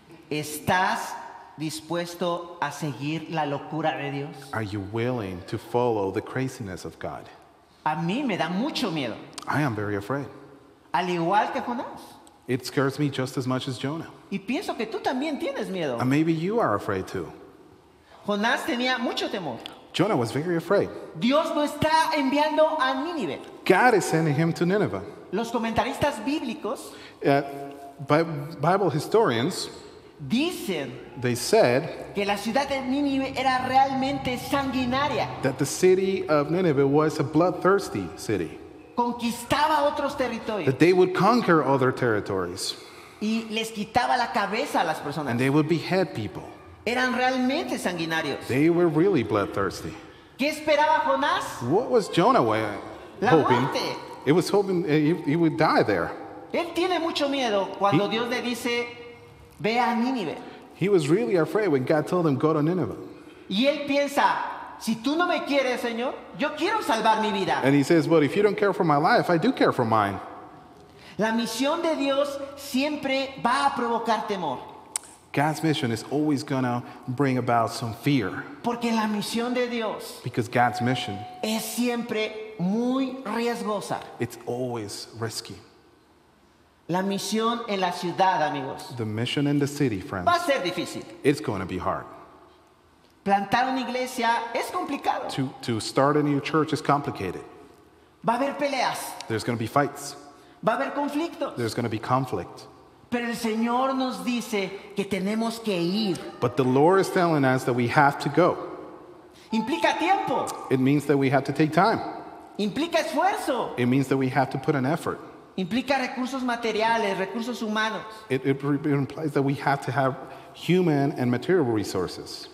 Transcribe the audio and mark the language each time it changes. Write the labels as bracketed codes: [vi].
[es] ¿Estás dispuesto a seguir la locura de Dios? [en] Are you willing to follow the craziness of God? [es] A mí me da mucho miedo. [en] I am very afraid. [es] Al igual que Jonás. [en] It scares me just as much as Jonah. [es] Y pienso que tú también tienes miedo. [en] And maybe you are afraid too. [es] Jonás tenía mucho temor. [en] Jonah was very afraid. [es] Dios lo está enviando a Nineveh. [en] God is sending him to Nineveh. [es] Los comentaristas bíblicos, [en] Bible historians, [es] dicen, [en] they said, [es] que la ciudad de Nineveh era realmente sanguinaria. [en] That the city of Nineveh was a bloodthirsty city. [es] Conquistaba otros territorios. [en] That they would conquer other territories. [es] Y les quitaba la cabeza a las personas. [en] And they would behead people. [es] Eran realmente sanguinarios. [en] They were really bloodthirsty. [es] ¿Qué esperaba Jonás? [en] What was Jonah hoping? It was hoping he would die there. [es] Él tiene mucho miedo cuando Dios le dice, ve a Nineveh. [en] He was really afraid when God told him, go to Nineveh. [es] Y él piensa, si tú no me quieres, Señor, yo quiero salvar mi vida. [en] And he says, but if you don't care for my life, I do care for mine. [es] La misión de Dios siempre va a provocar temor. [en] God's mission is always going to bring about some fear. [es] Porque la misión de Dios, [en] because God's mission, [es] es siempre muy riesgosa. [en] It's always risky. [es] La misión en la ciudad, amigos, [en] the mission in the city, friends, [es] va a ser difícil. [en] It's going to be hard. [es] Plantar una iglesia es complicado. [en] To start a new church is complicated. [es] Va a haber peleas. [en] There's going to be fights. [es] Va a haber conflictos. [en] There's going to be conflict. [es] Pero el Señor nos dice que tenemos que ir. [en] But the Lord is telling us that we have to go. [es] Implica tiempo. [en] It means that we have to take time. [es] Implica esfuerzo. [en] It means that we have to put an effort. [es] Implica recursos materiales, recursos humanos. [en] It implies that we have to have human and material resources.